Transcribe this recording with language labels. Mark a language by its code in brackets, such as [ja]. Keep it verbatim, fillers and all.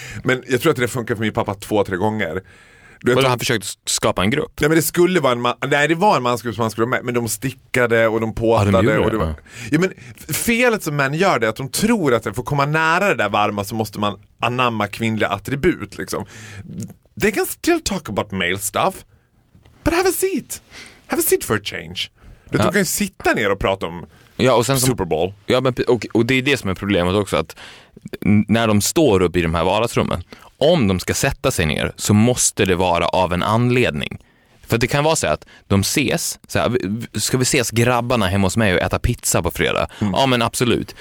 [sv] Men jag tror att det funkar för min pappa två, tre gånger. Då han försökte skapa en grupp. Nej, men det skulle vara en man, nej, det var en mansgrupp som han skulle vara med, men de stickade och de påtade ja, och det var, ja, men felet som män gör det är att de tror att för att komma nära det där varma så måste man anamma kvinnliga attribut liksom. [en] They can still talk about male stuff, but have a seat. Have a seat for a change. [sv] Du ja. kan ju sitta ner och prata om ja, och sen som, Super Bowl. Ja, men, och, och det är det som är problemet också, att när de står upp i de här vardagsrummen, om de ska sätta sig ner så måste det vara av en anledning. För det kan vara så att de ses så här, ska vi ses grabbarna hemma hos mig och äta pizza på fredag? Mm. Ja, men absolut.